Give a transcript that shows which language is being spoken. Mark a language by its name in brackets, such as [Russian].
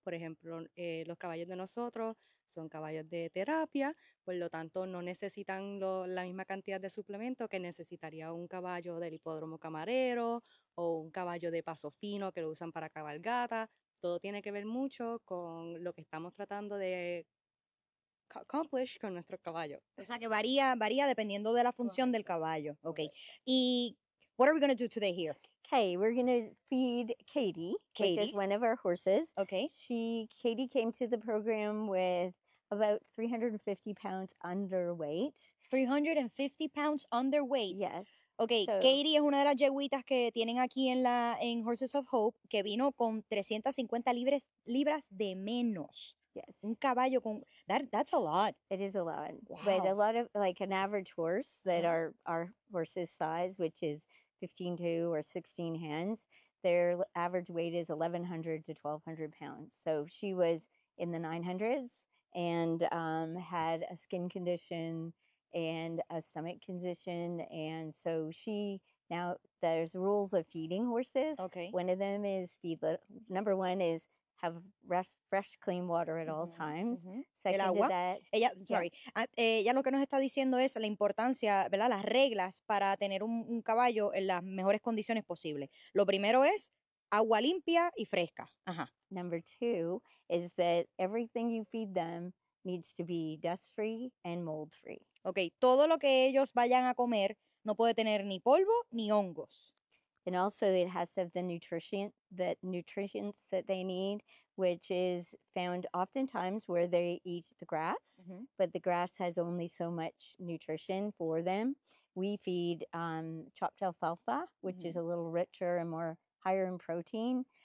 [Spanish] Por ejemplo, los caballos de nosotros son caballos de terapia, por lo tanto no necesitan la misma cantidad de suplementos que necesitaría un caballo del hipódromo camarero o un caballo de paso fino que lo usan para cabalgata. Todo tiene que ver mucho con lo que estamos tratando de accomplish con nuestro caballo. O sea que varía dependiendo de la función del caballo. Okay. [English] Y what are we going to do today here? Okay, we're going to feed Katie, which is one of our horses. Okay. Katie came to the program with about 350 pounds underweight. 350 pounds underweight. Yes. [Spanish] Okay, so, Katie es una de las yeguitas que tienen aquí en Horses of Hope, que vino con 350 libras de menos. [English] Yes. [Spanish] Un caballo con [English] that's a lot. It is a lot. Wow. But a lot of like an average horse that our horse's size, which is 15-2 or 16 hands, their average weight is 1100 to 1200 pounds. So she was in the 900s and had a skin condition and a stomach condition, and so she now, there's rules of feeding horses. Okay. One of them is number one is have fresh clean water at all times. Mm-hmm. Second, [Spanish] el agua. Ella lo que nos está diciendo es la importancia, ¿verdad? Las reglas para tener un caballo en las mejores condiciones posibles. Lo primero es agua limpia y fresca. Ajá. [English] Number two is that everything you feed them needs to be dust free and mold free. [Spanish] Okay, todo lo que ellos vayan a comer no puede tener ni polvo ni hongos. [English] And also it has to have the nutrients that they need, which is found oftentimes where they eat the grass, but the grass has only so much nutrition for them. We feed chopped alfalfa, which is a little richer and more higher in protein.